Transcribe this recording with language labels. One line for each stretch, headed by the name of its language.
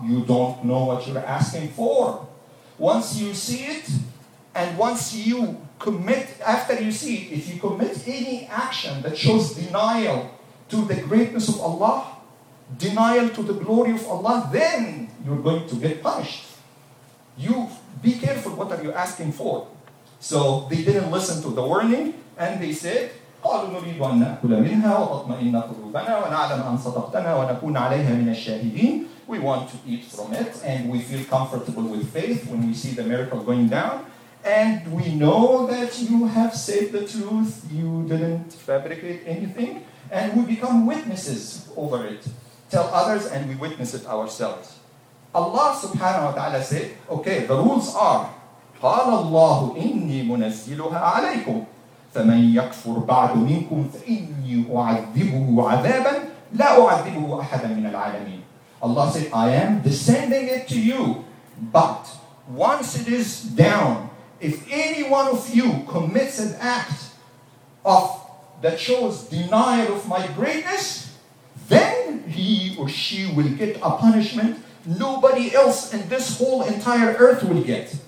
English: You don't know what you're asking for. Once you see it, and once you commit, after you see it, if you commit any action that shows denial to the greatness of Allah, denial to the glory of Allah, then you're going to get punished. You be careful, what are you asking for? So they didn't listen to the warning, and they said,
Arabic: قَالُوا نُرِيدُ أَنْ نَأْكُلَ مِنْهَا وَتَطْمَئِنَّ قُلُوبَنَا وَنَعْلَمَ أَنْ صَدَقْتَنَا وَنَكُونَ عَلَيْهَا مِنَ الشَّاهِدِينَ.
English: We want to eat from it, and we feel comfortable with faith when we see the miracle going down. And we know that you have said the truth, you didn't fabricate anything, and we become witnesses over it. Tell others, and we witness it ourselves. Allah subhanahu wa ta'ala said, okay, the rules are,
Arabic: قَالَ اللَّهُ إِنِّي مُنَزِّلُهَا عَلَيْكُمْ فَمَنْ يَكْفُرْ بَعْدُ مِنْكُمْ فَإِنِّي أُعَذِّبُهُ عَذَابًا لَا أُعَذِّبُهُ أَحَدًا مِنَ الْعَالَمِينَ.
English: Allah said, I am descending it to you, but once it is down, if any one of you commits an act of that shows denial of my greatness, then he or she will get a punishment nobody else in this whole entire earth will get.